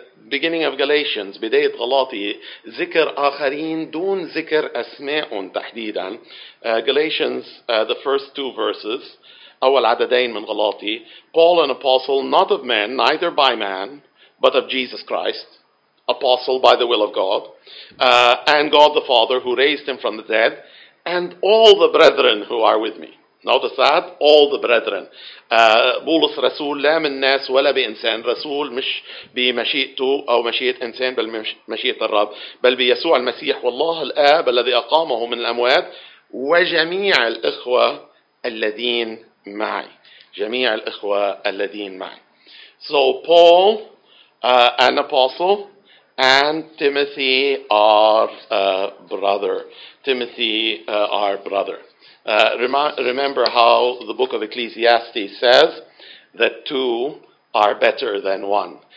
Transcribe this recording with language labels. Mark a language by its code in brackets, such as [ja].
[en] Beginning of Galatians, [ar] بداية غلاطي, ذكر آخرين دون ذكر أسماءهم تحديدا. [en] Galatians, the first two verses, [ar] أول عددين من غلاطي, [en] Paul an apostle, not of men, neither by man, but of Jesus Christ, apostle by the will of God, and God the Father who raised him from the dead, and all the brethren who are with me. Notice that, all the brethren. [ar] بولس رسول لا من ناس ولا بإنسان رسول مش بمشيئته أو مشيئة إنسان بل مشيئة الرب بل بيسوع المسيح والله الآب الذي أقامه من الأموات وجميع الإخوة الذين معي جميع الإخوة الذين معي [en] So Paul, an apostle, and Timothy, our brother. Timothy, our brother. Remember how the book of Ecclesiastes says that two are better than one.